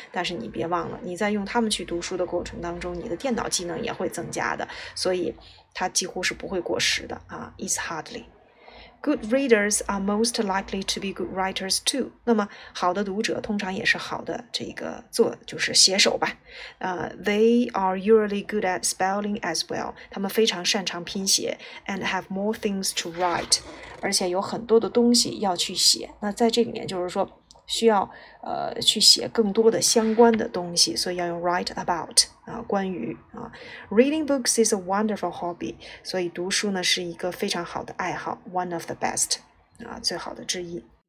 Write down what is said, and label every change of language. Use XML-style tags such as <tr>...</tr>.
<zh>但是你别忘了，你在用它们去读书的过程当中，你的电脑技能也会增加的，所以它几乎是不会过时的啊。</zh> <en>Is hardly。 Good readers are most likely to be good writers too.</en> <zh>那么好的读者通常也是好的这个作就是写手吧。</zh> <en>They are usually good at spelling as well.</en> <zh>他们非常擅长拼写</zh> <en>and have more things to write.</en> <zh>而且有很多的东西要去写。那在这里面就是说需要去写更多的相关的东西，所以要用 write about 啊，关于啊。</zh> <en>Reading books is a wonderful hobby，</en> <zh>所以读书呢是一个非常好的爱好</zh> <en>，one of the best 啊，</en> <zh>最好的之一。</zh>